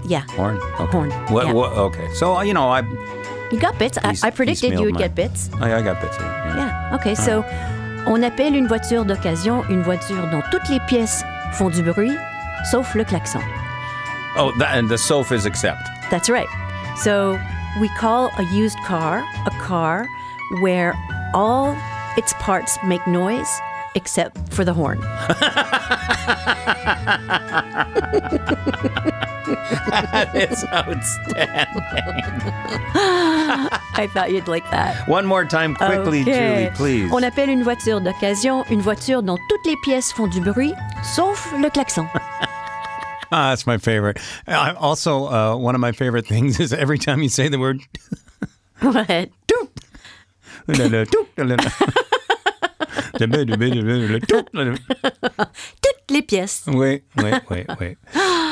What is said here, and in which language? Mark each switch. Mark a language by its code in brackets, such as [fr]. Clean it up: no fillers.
[en] Yeah. Horn? Okay. Horn. What, yeah. What, okay. So, you know, I... You got bits. I predicted you would get bits. I got bits. Yeah. Okay. All so, right. [fr] On appelle une voiture d'occasion une voiture dont toutes les pièces font du bruit, sauf le klaxon. [en] Oh, that, and the sauf is except. That's right. So, we call a used car a car where all its parts make noise except for the horn. That is outstanding. I thought you'd like that. One more time, quickly, okay. Julie, please. [fr] On appelle une voiture d'occasion une voiture dont toutes les pièces font du bruit, sauf le klaxon. [en] Ah, that's my favorite. Also, one of my favorite things is every time you say the word... What? Doop! Doop! Doop! [fr] Toutes les pièces. [en] Wait.